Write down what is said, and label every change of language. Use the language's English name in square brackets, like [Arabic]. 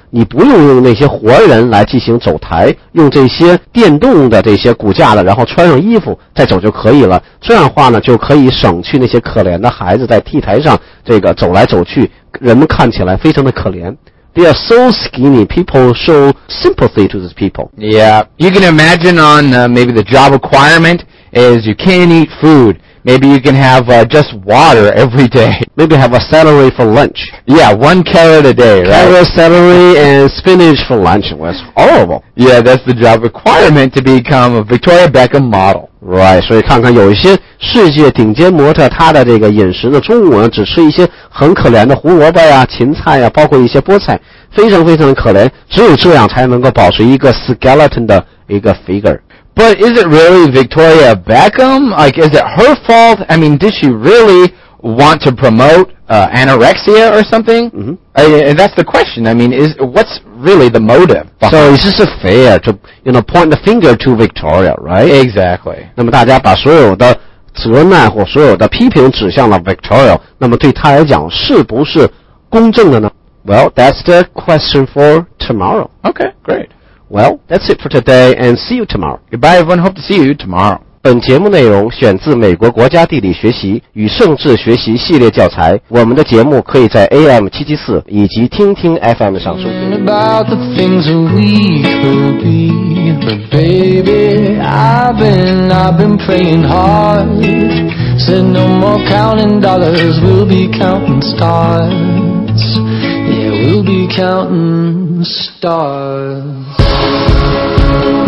[Chinese] 你不用用那些活人来进行走台，用这些电动的这些骨架的，然后穿上衣服再走就可以了。这样的话呢就可以省去那些可怜的孩子在 T 台上这个走来走去，人们看起来非常的可怜。 [English] They are so skinny. People show sympathy to these people. Yeah. You can imagine on maybe the job requirement is you can't eat food. Maybe you can have just water every day. Maybe have a celery for lunch. Yeah, one carrot a day, right? Carrot, celery, and spinach for lunch. Well, that's horrible. Yeah, that's the job requirement to become a Victoria Beckham model. [Chinese] Right, 所以看看有一些世界顶尖模特他的这个饮食呢，中午呢只吃一些很可怜的胡萝卜啊、芹菜啊，包括一些菠菜，非常非常的可怜，只有这样才能够保持一个 skeleton 的一个 figure。 [English] But is it really Victoria Beckham? Like, is it her fault? I mean, did she really want to promote anorexia or something? Mm-hmm. And that's the question. I mean, what's really the motive? So is this fair to, you know, point the finger to Victoria, right? Exactly. [Chinese] 那么大家把所有的责难或所有的批评指向了 Victoria, 那么对她来讲是不是公正的呢? [English] Well, that's the question for tomorrow. Okay, great. Well, that's it for today, and see you tomorrow. Goodbye, everyone. Hope to see you tomorrow. [Chinese] 本节目内容选自美国国家地理学习与政治学习系列教材。我们的节目可以在 AM774 以及听听 FM 上收听。 [English] Thinking about the things that we could be, but baby, I've been praying hard. Said no more counting dollars, we'll be counting stars. Yeah, we'll be counting stars.